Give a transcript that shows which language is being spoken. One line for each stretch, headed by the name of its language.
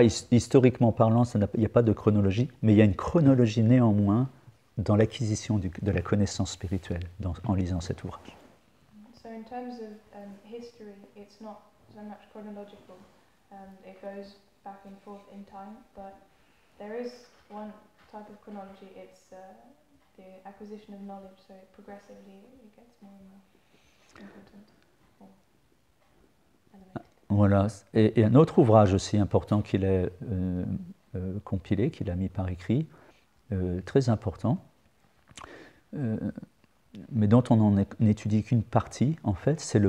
French: Historiquement parlant, il n'y a pas de chronologie, mais il y a une chronologie néanmoins dans l'acquisition de la connaissance spirituelle en lisant cet ouvrage.
English: So in terms of history, it's not so much chronological. It goes back and forth in time, but there is one type of chronology. It's the acquisition of knowledge. So it progressively it gets more and more important.
French: Voilà, et un autre ouvrage aussi important qu'il a compilé, qu'il a mis par écrit, très important, mais dont on n'étudie qu'une partie, en fait, c'est le